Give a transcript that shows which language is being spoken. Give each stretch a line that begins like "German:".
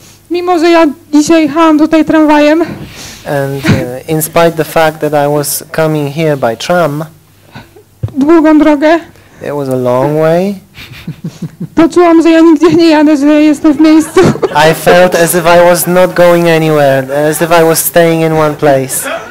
Polish: mimo że ja dzisiaj jechałam tutaj tramwajem.
English: And in spite the fact that I was coming here by tram.
Polish: Długą drogę.
English: It was a long way.
Polish: Poczułam, że ja nigdzie nie jadę, że jestem w miejscu.
English: I felt as if I was not going anywhere, as if I was staying in one place.